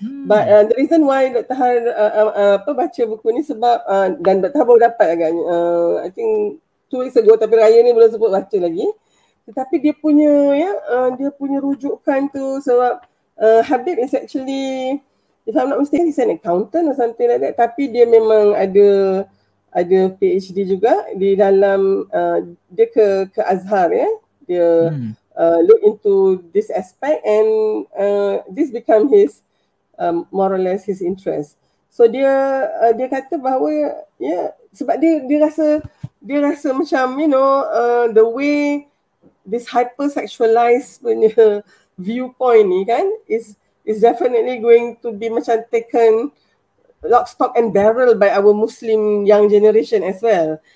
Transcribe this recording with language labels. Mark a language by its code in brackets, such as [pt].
[en] But the reason why [ms] Dr. Har baca buku ni sebab dan Dr. Har baru dapat agaknya [en] I think 2 weeks ago, [ms] tapi Raya ni belum sebut baca lagi. Tetapi dia punya dia punya rujukan tu sebab [en] Habib is actually, if I'm not mistaken, he's an accountant or something like that. [ms] Tapi dia memang ada PhD juga di dalam dia ke Azhar ya. [en] Dia look into this aspect and this become his more or less his interest. So [ms] dia kata bahawa yeah, sebab dia rasa macam [en] the way this hypersexualized punya viewpoint [ms] ni kan [en] is definitely going to be macam taken lock, stock and barrel by our Muslim young generation as well.